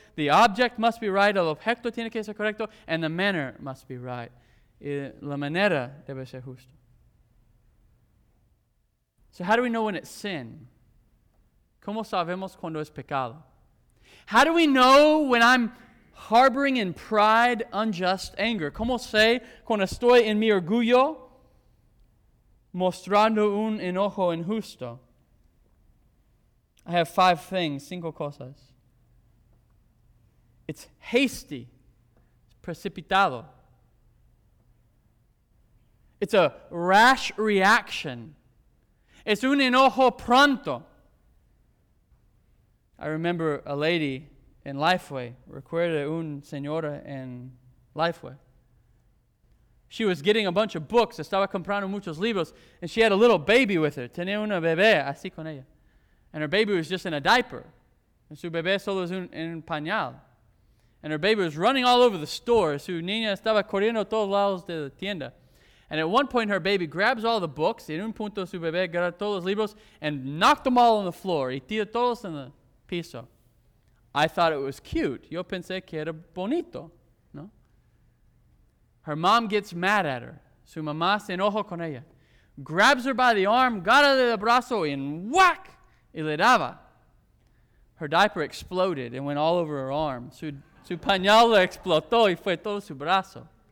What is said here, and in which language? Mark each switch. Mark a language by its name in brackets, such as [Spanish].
[English] The object must be right. [Spanish] El objeto tiene que ser correcto. [English] And the manner must be right. [Spanish] La manera debe ser justo. [English] So how do we know when it's sin? [Spanish] ¿Cómo sabemos cuando es pecado? [English] How do we know when I'm harboring in pride unjust anger? [Spanish] ¿Cómo sé cuando estoy en mi orgullo mostrando un enojo injusto? [English] I have five things, [Spanish] cinco cosas. [English] It's hasty, it's precipitado. It's a rash reaction. [Spanish] Es un enojo pronto. [English] I remember a lady in Lifeway. [Spanish] Recuerda un señora en Lifeway. [English] She was getting a bunch of books. [Spanish] Estaba comprando muchos libros. [English] And she had a little baby with her. [Spanish] Tenía una bebé así con ella. [English] And her baby was just in a diaper. And [Spanish] su bebé solo es un pañal. [English] And her baby was running all over the store. [Spanish] Su niña estaba corriendo todos lados de la tienda. [English] And at one point, her baby grabs all the books. [Spanish] En un punto, su bebé agarra todos los libros [English] and knocked them all on the floor. [Spanish] Y tira todos en la piso. [English] I thought it was cute. [Spanish] Yo pensé que era bonito, ¿no? [English] Her mom gets mad at her. [Spanish] Su mamá se enoja con ella. [English] Grabs her by the arm, [Spanish] gara del brazo, [English] and whack! [Spanish] Y le daba. [English] Her diaper exploded and went all over her arm. [Spanish] Su pañal explotó y fue todo su brazo.